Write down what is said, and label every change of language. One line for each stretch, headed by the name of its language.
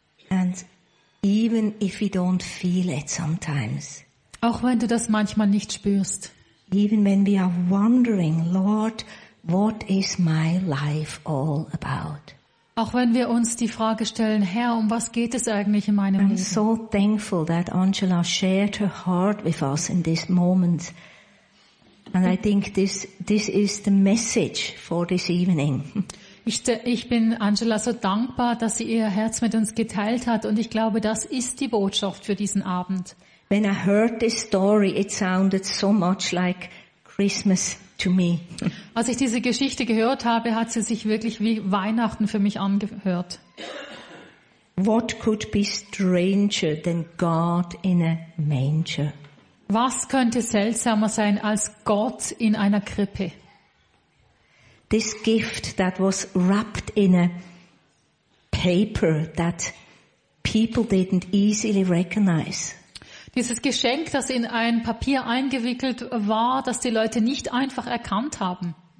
English: And even if we don't feel it sometimes.
German: Auch wenn du das manchmal nicht spürst.
English: Even when we are wondering, Lord, what is my life all about?
German: Auch wenn wir uns die Frage stellen, Herr, um was geht es eigentlich in meinem Leben?
English: I'm so thankful that Angela shared her heart with us in this moment. And I think this is the message for this evening.
German: Ich bin Angela so dankbar, dass sie ihr Herz mit uns geteilt hat, und ich glaube, das ist die Botschaft für diesen Abend.
English: When I heard this story, it sounded so much like Christmas to me.
German: Als ich diese Geschichte gehört habe, hat sie sich wirklich wie Weihnachten für mich angehört.
English: What could be stranger than God in a manger?
German: Was könnte seltsamer sein als Gott in einer Krippe?
English: This gift that was wrapped in a paper that people didn't easily recognize.
German: Dieses Geschenk, das in ein Papier eingewickelt war, das die Leute nicht einfach erkannt haben.